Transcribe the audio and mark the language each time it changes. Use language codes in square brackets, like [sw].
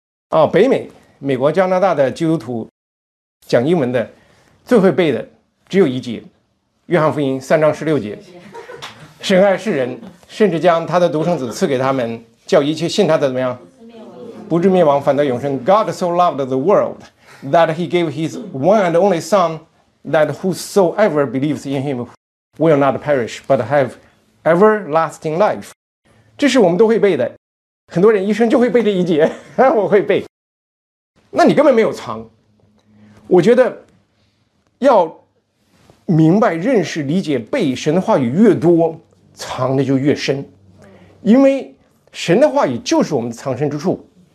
[zh] 啊，北美、美国、加拿大的基督徒讲英文的，最会背的只有一节，约翰福音3:16。神爱世人，甚至将他的独生子赐给他们，叫一切信他的怎么样？不至灭亡，反得永生。 [en] God so loved the world that he gave his one and only son that whosoever believes in him will not perish but have everlasting life. [zh] 这是我们都会背的，很多人一生就会背这一节。我会背。那你根本没有藏。我觉得要明白认识理解背神的话语越多，藏的就越深，因为神的话语就是我们的藏身之处。